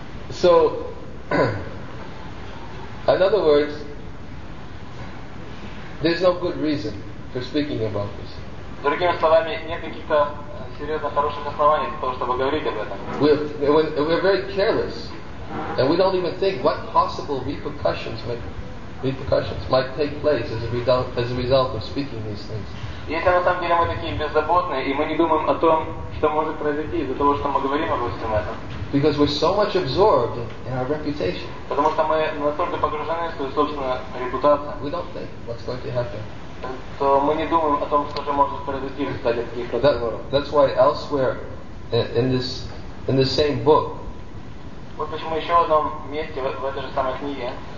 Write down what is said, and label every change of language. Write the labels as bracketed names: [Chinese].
[English] So, in other words, there's no good reason for speaking about this. [Russian] Другими словами, нет каких-то серьезно хороших оснований для того, чтобы говорить об этом. [English] We're very careless, and we don't even think what possible repercussions might take place as a result of speaking these things. [Russian] Если на самом деле мы такие беззаботные и мы не думаем о том, что может произойти из-за того, что мы говорим об этом. [English] Because we're so much absorbed in our reputation. [Russian] Потому что мы настолько погружены в свою собственную репутацию. [English] We don't think what's going to happen. [Russian] То мы не думаем о том, что же может произойти в результате таких разговоров. [English] That's why elsewhere in the same book. [Russian] Вот почему еще в одном месте в этой же самой книге.